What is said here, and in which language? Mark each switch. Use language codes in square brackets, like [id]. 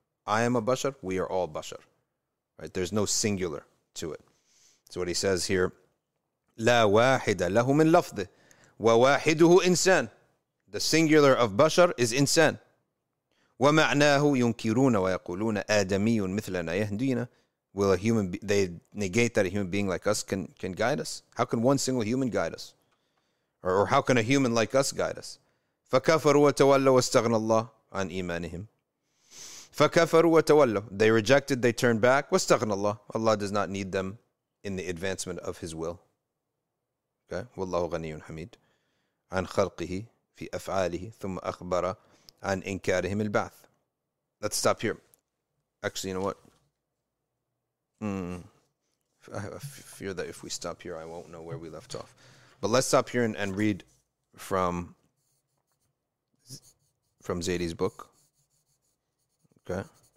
[en] I am a بشر, we are all بشر. Right? There's no singular to it. So what he says here, [ar] لا واحد له من لفظه وواحده إنسان. [en] The singular of بشر is إنسان. [ar] ومعناه ينكرون ويقولون آدمي مثلنا يهدينا. [en] Will a human be, they negate that a human being like us can guide us? How can one single human guide us? Or how can a human like us guide us? [ar] فكفروا وتولوا واستغنى الله عن إيمانهم. فكفروا وتولوا. [en] They rejected, they turned back. [ar] واستغنى الله. [en] Allah does not need them in the advancement of His will. Okay. [ar] والله غني حميد عن خلقه في أفعاله ثم أخبر عن إنكارهم البعث. [en] Let's stop here. Actually, you know what? I fear that if we stop here, I won't know where we left off. But let's stop here and read from Zaidi's book. Okay.